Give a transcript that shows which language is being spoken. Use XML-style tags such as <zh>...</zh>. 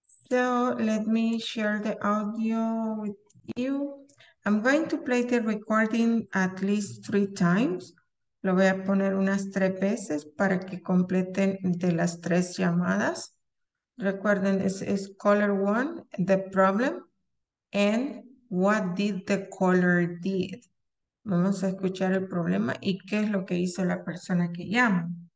<en>So, let me share the audio with you. I'm going to play the recording at least 3 times.</en> <es>Lo voy a poner unas 3 veces para que completen de las 3 llamadas. Recuerden, es</es> <en>caller 1, the problem, and what did the caller did.</en> <es>Vamos a escuchar el problema y qué es lo que hizo la persona que llama.</es>